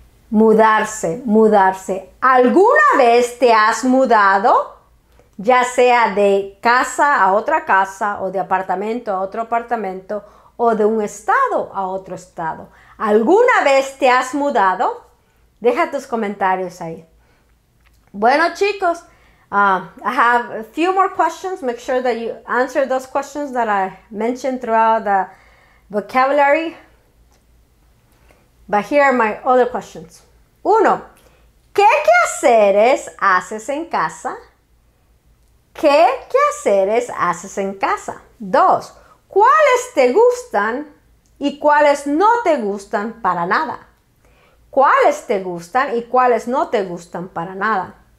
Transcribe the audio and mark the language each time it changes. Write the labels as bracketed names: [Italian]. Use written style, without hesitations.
[Spanish] Mudarse, mudarse. ¿Alguna vez te has mudado? Ya sea de casa a otra casa, o de apartamento a otro apartamento, o de un estado a otro estado. ¿Alguna vez te has mudado? Deja tus comentarios ahí. Bueno, chicos, [English] I have a few more questions. Make sure that you answer those questions that I mentioned throughout the vocabulary. But here are my other questions. [Spanish] Uno, ¿qué quehaceres haces en casa? ¿Qué quehaceres haces en casa? Dos, ¿cuáles te gustan y cuáles no te gustan para nada? ¿Cuáles te gustan y cuáles no te gustan para nada?